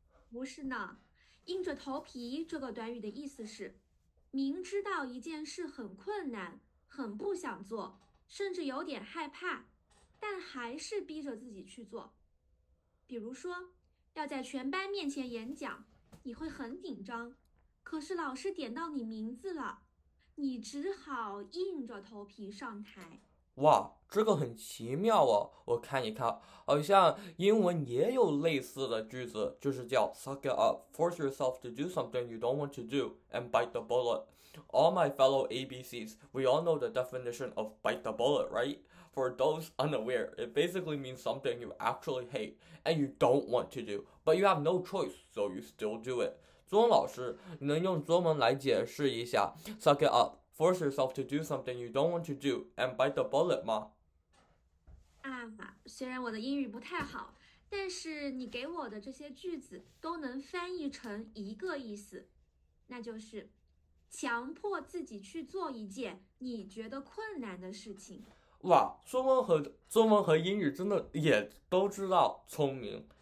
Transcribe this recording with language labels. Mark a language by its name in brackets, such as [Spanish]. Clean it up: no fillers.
[Chinese] 不是呢，"硬着头皮"这个短语的意思是明知道一件事很困难，很不想做，甚至有点害怕。但还是逼着自己去做，比如说要在全班面前演讲，你会很紧张，可是老师点到你名字了，你只好硬着头皮上台。哇，这个很奇妙哦！我看一看，好像英文也有类似的句子，就是叫 [English] "suck it up, force yourself to do something you don't want to do, and bite the bullet." All my fellow ABCs, we all know the definition of bite the bullet, right? For those unaware, it basically means something you actually hate and you don't want to do, but you have no choice, so you still do it. [Chinese] 中文老师，你能用中文来解释一下 [English] "suck it up"？ Force yourself to do something you don't want to do and bite the bullet 吗？ [Chinese] 啊，虽然我的英语不太好，但是你给我的这些句子都能翻译成一个意思，那就是强迫自己去做一件你觉得困难的事情。哇，中文和英语真的也都知道聪明。